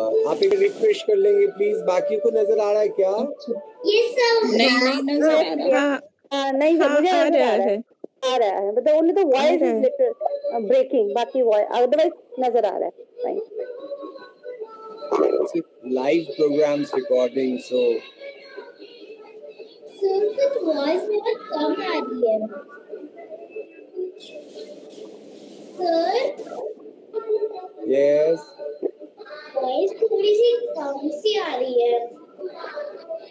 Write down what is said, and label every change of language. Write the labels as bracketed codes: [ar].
[hi] आप एक रिफ्रेश कर लेंगे प्लीज, बाकी को नजर आ रहा है क्या? [en] Yes sir. [hi] नहीं नहीं नजर आ रहा है. हाँ नहीं मुझे आ रहा है. आ रहा है [en] but only the voice is little breaking, [hi] बाकी वॉइस अदरवाइज नजर आ रहा है. [en] Live programs recording, so. Sir, the voice is not coming. Sir. Yes. [hi] Voice थोड़ी सी कम सी आ रही है.